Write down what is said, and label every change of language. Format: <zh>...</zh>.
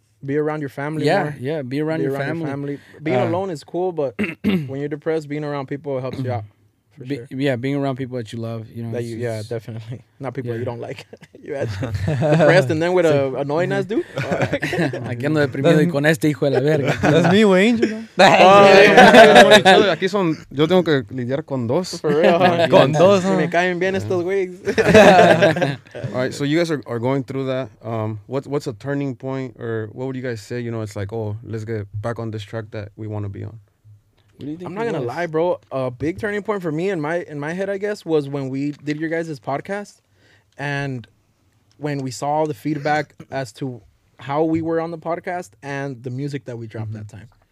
<en>Be around your family. Yeah, more. Yeah. Be around your family. Being alone is cool, but when you're depressed, being around people helps you out. For sure. Yeah, being around people that you love, you know. That you, yeah, definitely. Not people you don't like. You had depressed and then with an annoying ass dude.</en> <es>Aquí ando deprimido y con este hijo de la verga.</es> <en>That's me, Wayne.</en> <es>Aquí son, yo tengo que lidiar con dos. For real. Con dos. Me caen bien estos güeyes.</es> <en>All right, so you guys are going through that. What's a turning point, or what would you guys say? You know, it's like, oh, let's get back on this track that we want to be on. I'm not gonna lie, bro. A big turning point for me in my head, I guess, was when we did your guys' podcast, and when we saw the feedback as to how we were on the podcast and the music that we dropped that time.</en>